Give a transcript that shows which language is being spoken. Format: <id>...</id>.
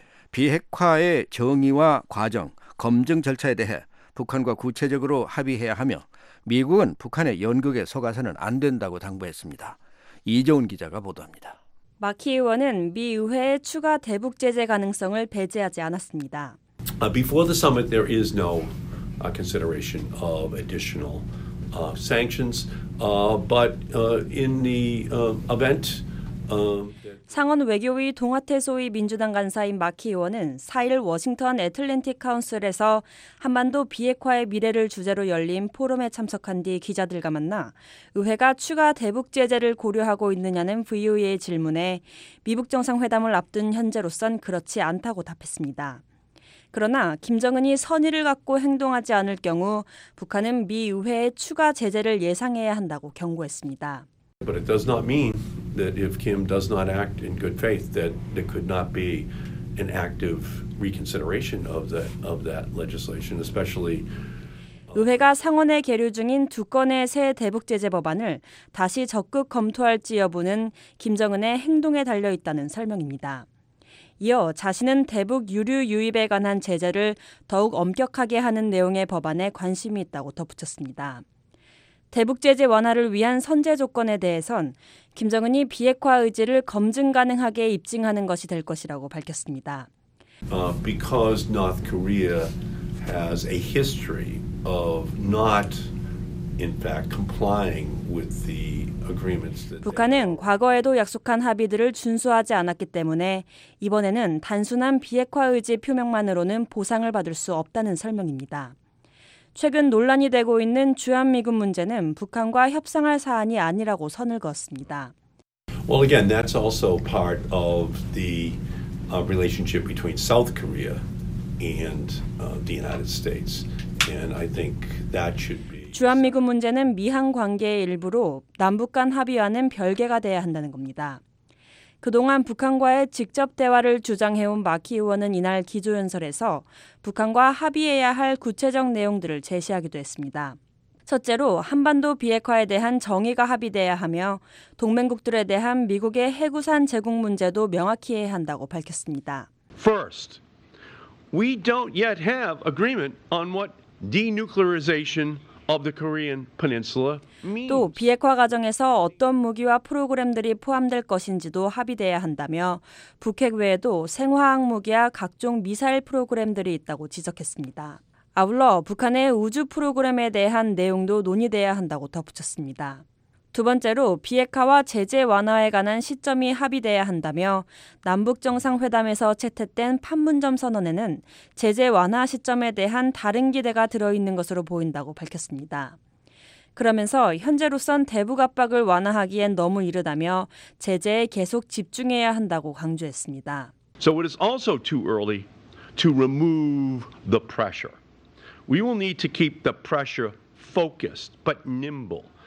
<ko>비핵화의 정의와 과정, 검증 절차에 대해 북한과 구체적으로 합의해야 하며 미국은 북한의 연극에 속아서는 안 된다고 당부했습니다. 이재훈 기자가 보도합니다. 마키 의원은 미 의회의 추가 대북 제재 가능성을 배제하지 않았습니다.</ko> <en>Before the summit, there is no consideration of additional sanctions. But in the event,</en> <ko>상원 외교위 동아태 소위 민주당 간사인 마키 의원은 4일 워싱턴 애틀랜틱 카운슬에서 한반도 비핵화의 미래를 주제로 열린 포럼에 참석한 뒤 기자들과 만나 의회가 추가 대북 제재를 고려하고 있느냐는 VOA의 질문에 미북 정상회담을 앞둔 현재로선 그렇지 않다고 답했습니다. 그러나 김정은이 선의를 갖고 행동하지 않을 경우 북한은 미 의회에 추가 제재를 예상해야 한다고 경고했습니다.</ko> <en>But it does not mean that if Kim does not act in good faith that there could not be an active reconsideration of that legislation, especially</en> <ko>의회가 상원에 계류 중인 두 건의 새 대북 제재 법안을 다시 적극 검토할지 여부는 김정은의 행동에 달려 있다는 설명입니다. 이어 자신은 대북 유류 유입에 관한 제재를 더욱 엄격하게 하는 내용의 법안에 관심이 있다고 덧붙였습니다. 대북 제재 완화를 위한 선제 조건에 대해선 김정은이 비핵화 의지를 검증 가능하게 입증하는 것이 될 것이라고 밝혔습니다.</ko> <en>Because North Korea has a history of not in fact complying with the agreements that</en> <ko>북한은 과거에도 약속한 합의들을 준수하지 않았기 때문에 이번에는 단순한 비핵화 의지 표명만으로는 보상을 받을 수 없다는 설명입니다. 최근 논란이 되고 있는 주한미군 문제는 북한과 협상할 사안이 아니라고 선을 그었습니다.</ko> <en>Well again that's also part of the relationship between South Korea and the United States. And I think that should be</en> <ko>주한미군 문제는 미한 관계의 일부로 남북 간 합의와는 별개가 돼야 한다는 겁니다. 그동안 북한과의 직접 대화를 주장해온 마키 의원은 이날 기조연설에서 북한과 합의해야 할 구체적 내용들을 제시하기도 했습니다. 첫째로 한반도 비핵화에 대한 정의가 합의돼야 하며 동맹국들에 대한 미국의 해구산 제공 문제도 명확히 해야 한다고 밝혔습니다.</ko> <en>First, we don't yet have agreement on what denuclearization of the Korean Peninsula.</en> <ko>또 비핵화 과정에서 어떤 무기와 프로그램들이 포함될 것인지도 합의돼야 한다며 북핵 외에도 생화학 무기와 각종 미사일 프로그램들이 있다고 지적했습니다. 아울러 북한의 우주 프로그램에 대한 내용도 논의돼야 한다고 덧붙였습니다. 두 번째로 비핵화와 제재 완화에 관한 시점이 합의돼야 한다며 남북정상회담에서 채택된 판문점 선언에는 제재 완화 시점에 대한 다른 기대가 들어있는 것으로 보인다고 밝혔습니다. 그러면서 현재로선 대북 압박을 완화하기엔 너무 이르다며 제재에 계속 집중해야 한다고 강조했습니다.</ko> <en>So it is also too early to remove the pressure. We will need to keep the pressure focused but nimble.</en>